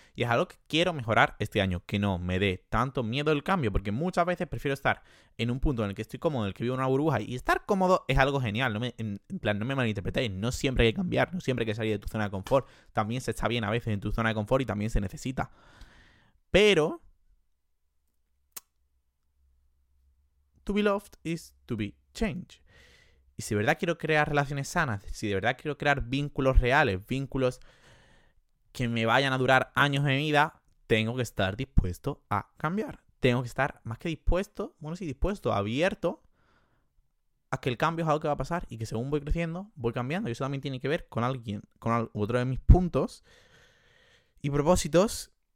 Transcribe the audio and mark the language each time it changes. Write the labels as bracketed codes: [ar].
[es] Y es algo que quiero mejorar este año, que no me dé tanto miedo el cambio, porque muchas veces prefiero estar en un punto en el que estoy cómodo, en el que vivo en una burbuja, y estar cómodo es algo genial. No me malinterpretéis, no siempre hay que cambiar, no siempre hay que salir de tu zona de confort. También se está bien a veces en tu zona de confort y también se necesita. [en] Pero to be loved is to be changed. [es] Y si de verdad quiero crear relaciones sanas, si de verdad quiero crear vínculos reales, vínculos que me vayan a durar años de vida, tengo que estar dispuesto a cambiar. Tengo que estar más que dispuesto, bueno, sí, dispuesto, abierto a que el cambio es algo que va a pasar y que según voy creciendo, voy cambiando. Y eso también tiene que ver con alguien, con otro de mis puntos y propósitos.